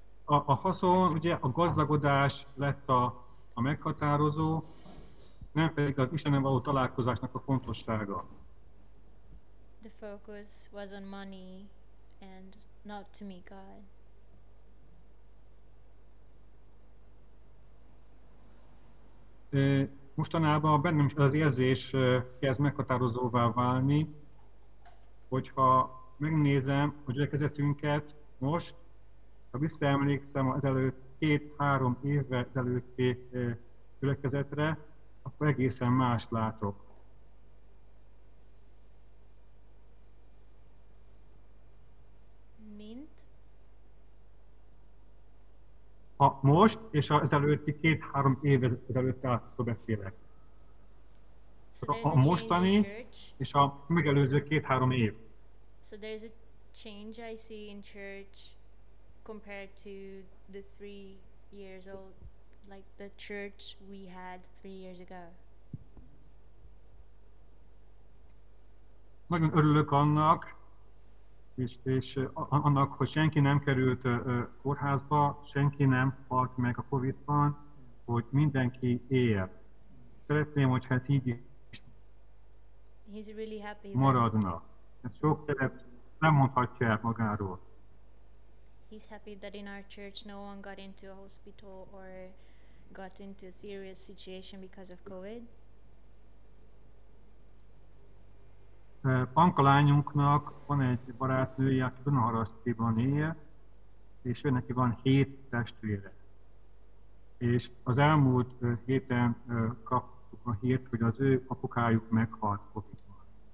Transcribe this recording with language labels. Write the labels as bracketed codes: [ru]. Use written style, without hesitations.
[hu] A haszon, ugye a gazdagodás lett a meghatározó, nem pedig az Istennel való találkozásnak a fontossága. [en] The focus was on money and not to meet God. [hu] Mostanában bennem is az érzés kezd meghatározóvá válni, hogyha megnézem a gyülekezetünket most, ha visszaemlékszem az előtt 2-3 évvel előtti gyülekezetre, akkor egészen más látok. Mint? ha most és az előtti 2-3 évvel ezelőtt beszélek. So a mostani és a megelőző 2-3 év. [en] So there's a change I see in church compared to the 3 years old, like the church we had 3 years ago. [hu] Nagyon örülök annak, és annak, hogy senki nem került kórházba, senki nem halt meg a Covid-ban, hogy mindenki él. Szeretném, hogyha ez így is maradna. Ez sok szerep nem mondhatja el magáról. [en] He's happy that in our church no one got into a hospital or got into a serious situation because of COVID. [hu] Panka lányunknak van egy barátnője, aki Dunaharasztiban él, és ő neki van 7 testvére. És az elmúlt héten kaptuk a hírt, hogy az ő apukájuk meghalt Covid-ban.